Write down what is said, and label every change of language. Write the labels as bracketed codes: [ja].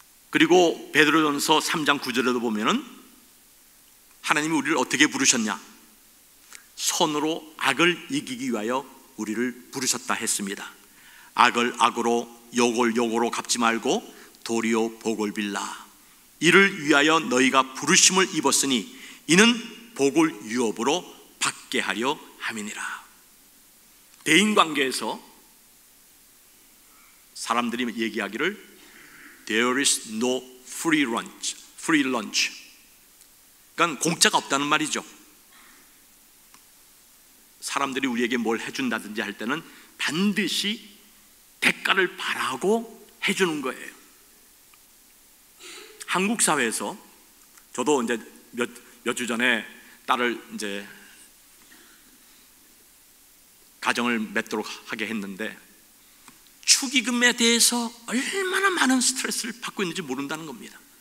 [ko] 그리고 베드로전서 3장 9절에도 보면은 하나님이 우리를 어떻게 부르셨냐, 선으로 악을 이기기 위하여 우리를 부르셨다 했습니다. 악을 악으로, 욕을 욕으로 갚지 말고 도리어 복을 빌라. 이를 위하여 너희가 부르심을 입었으니 이는 복을 유업으로 받게 하려 함이니라. 대인관계에서 사람들이 얘기하기를 [en] There is no free lunch. Free lunch. [ko] 그러니까 공짜가 없다는 말이죠. 사람들이 우리에게 뭘 해준다든지 할 때는 반드시 대가를 바라고 해주는 거예요. 한국 사회에서 저도 이제 몇 주 전에 딸을 이제 가정을 맺도록 하게 했는데 축의금에 대해서 얼마나 많은 스트레스를 받고 있는지 모른다는 겁니다.